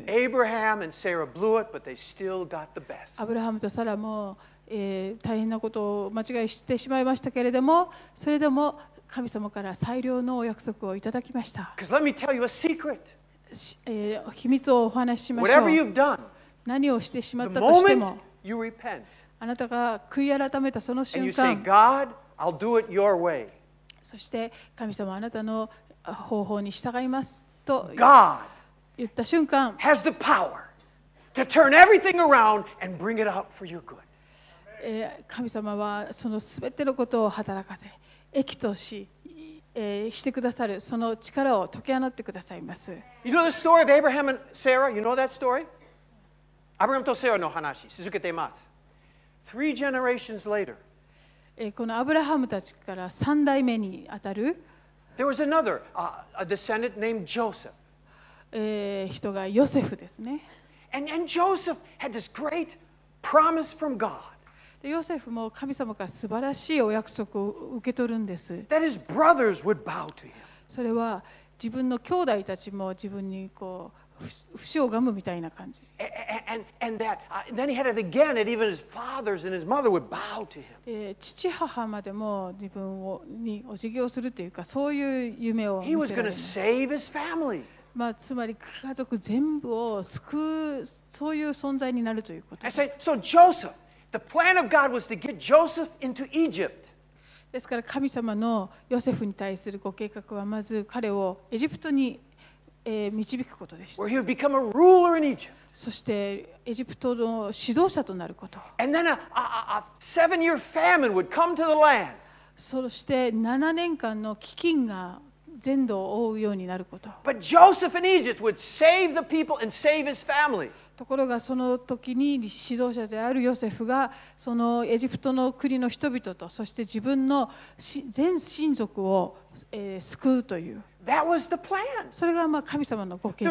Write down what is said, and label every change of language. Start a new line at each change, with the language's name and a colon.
English: Abraham and Sarah blew it, but they still got the best.
Japanese: アブラハムとサラも大変なことを間違いしてしまいましたけれども、それでも神様から最良のお約束をいただきました。
English: Let me tell you a secret.
Japanese: 秘密をお話ししましょう。
English: Whatever you've done,
Japanese: 何をしてしまったとしても、
English: you repent,
Japanese: あなたが悔い改めたその瞬間、
English: and you say, God, I'll do it your way.
Japanese: そして神様、あなたの方法に従いますと
English: God
Japanese: 言った瞬間、
English: God has the power to turn everything around and bring it out for your good.
Japanese: 神様はそのすべてのことを働かせ、益とし、してくださるその力を解き放ってくださいます。
English: You know the story of Abraham and Sarah? You know that story?
Japanese: アブラハムとサラの話続けています。
English: Three generations later、
Japanese: このアブラハムたちから三代目にあたる
English: There was another, a descendant named Joseph.
Japanese: 人がヨセフですね。
English: And Joseph had this great promise from God
Japanese: ヨセフも神様から素晴らしいお約束を受け取るんです。
English: That his brothers would bow to him.
Japanese: それは自分の兄弟たちも自分にこう伏しをがむみたいな感じ。
English: And that, then he had it again, and even his fathers and his mother would bow to him.
Japanese: 父母までも自分をにお辞儀をするというか、そういう夢を見せられ
English: る。He was going to save his family.
Japanese: まあ、つまり家族全部を救う、そういう存在になるということ。
English: So Joseph. The plan of God was to get Joseph into Egypt.
Japanese: ですから神様のヨセフに対するご計画はまず彼をエジプトに導くことでした。
English: Where he would become a ruler in Egypt.
Japanese: そしてエジプトの指導者となること。
English: And then a seven-year famine would come to the land.
Japanese: そして7年間の飢饉が全土を覆うようになること。
English: But Joseph in Egypt would save the people and save his family.
Japanese: ところがその時に指導者であるヨセフがそのエジプトの国の人々とそして自分の全親族を救うという。
English: That was the plan.
Japanese: それがまあ神様のご計画。